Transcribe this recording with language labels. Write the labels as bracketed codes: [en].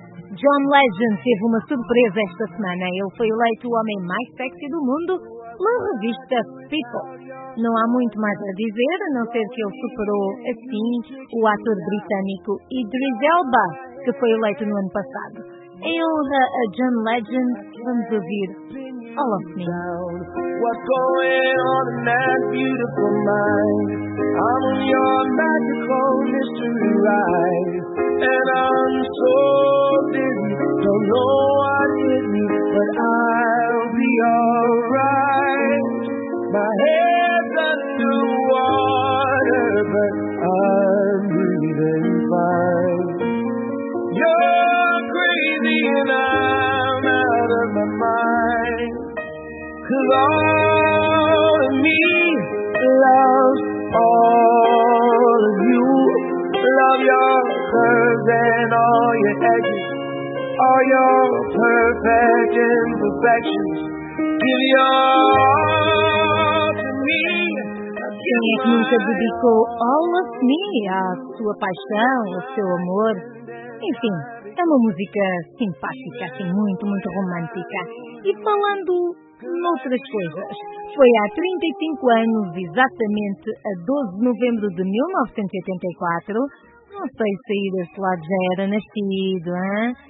[pt] John Legend teve uma surpresa esta semana, ele foi eleito o homem mais sexy do mundo na revista People. Não há muito mais a dizer, a não ser que ele superou assim o ator britânico Idris Elba, que foi eleito no ano passado. Em honra a John Legend, vamos ouvir All of Me. [en] What's going on in that beautiful mind? I'm on your magical mystery ride. And I'm so busy, don't know what hit me, but I'll be alright. My head's under water, but I'm breathing fine. You're crazy and I'm out of my mind. Cause all of me loves all of you. Love your curves and all your baggage, all your perfect imperfections. Give your all to me. [pt] Quem é que nunca dedicou all of me à sua paixão, ao seu amor? Enfim, é uma música simpática, assim, muito, muito romântica. E falando noutras coisas, foi há 35 anos, exatamente a 12 de novembro de 1984, não sei se aí desse lado já era nascido, hein?